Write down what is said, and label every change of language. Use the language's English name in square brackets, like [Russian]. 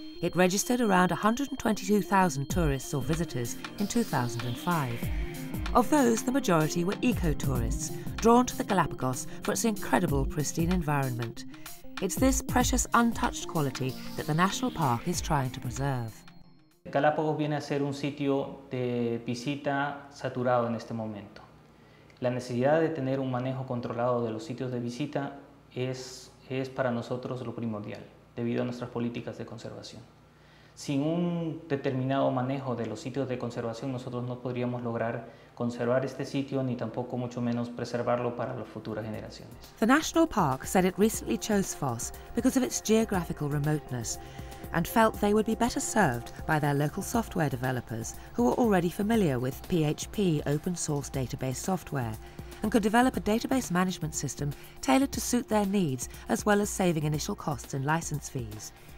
[English] It registered around 122,000 tourists or visitors in 2005. Of those, the majority were eco-tourists, drawn to the Galapagos for its incredible pristine environment. It's this precious untouched quality that the national park is trying to preserve. [Spanish] Galapagos viene a ser un sitio de visita saturado en este momento. La necesidad de tener un manejo controlado de los sitios de visita es para nosotros lo primordial, debido a nuestras políticas de conservación. Sin un determinado manejo de los sitios de conservación, nosotros no podríamos lograr conservar este sitio, ni tampoco mucho menos preservarlo para las futuras generaciones. [English] The National Park said it recently chose FOSS because of its geographical remoteness and felt they would be better served by their local software developers who are already familiar with PHP open source database software and could develop a database management system tailored to suit their needs as well as saving initial costs and license fees.